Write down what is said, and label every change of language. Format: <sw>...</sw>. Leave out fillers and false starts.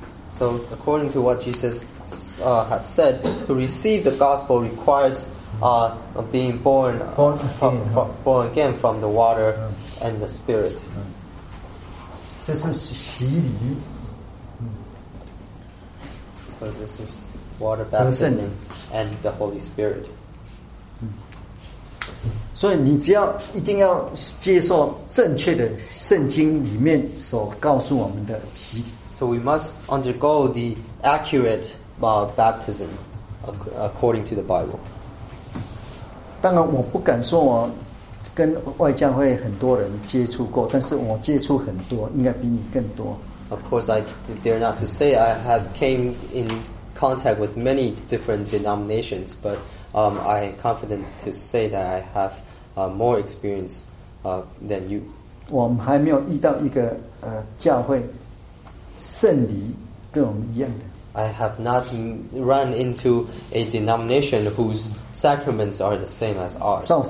<en>So according to what Jesus has said, to receive the gospel requires being born, born again from the water and the spirit.</en> <zh>这是洗礼。</zh> <en>So this is water baptism and the Holy Spirit.</en> <zh>所以你只要一定要接受正确的圣经里面所告诉我们的洗。</zh> <en>So we must undergo the accurate baptism according to the Bible.</en> <zh>当然我不敢说我跟外教会很多人接触过，但是我接触很多，应该比你更多。Of</zh> <en>course, I dare not to say I have came in contact with many different denominations, but I am confident to say that I have more experience than you.</en> <zh>我们还没有遇到一个教会圣礼跟我们一样的。</zh> <en>I have not run into a denomination whose sacraments are the same as ours.</en>